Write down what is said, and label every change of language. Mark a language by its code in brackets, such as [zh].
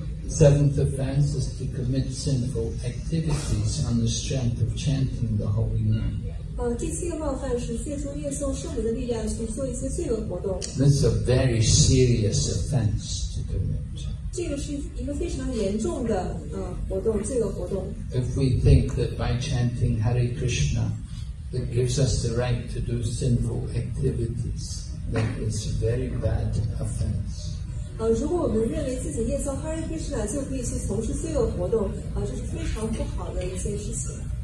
[en] seventh offense is to commit sinful activities on the strength of chanting the holy name. [zh] 第七个冒犯是借助夜颂圣名的力量去做一些罪恶活动。 [en] This is a very serious offense to commit. [zh] 这个是一个非常严重的活动，罪恶活动。 [en] If we think that by chanting Hare Krishna, that gives us the right to do sinful activities, then it's a very bad offense. [zh] 如果我们认为自己夜颂 Hare Krishna 就可以去从事罪恶活动，这是非常不好的一件事情。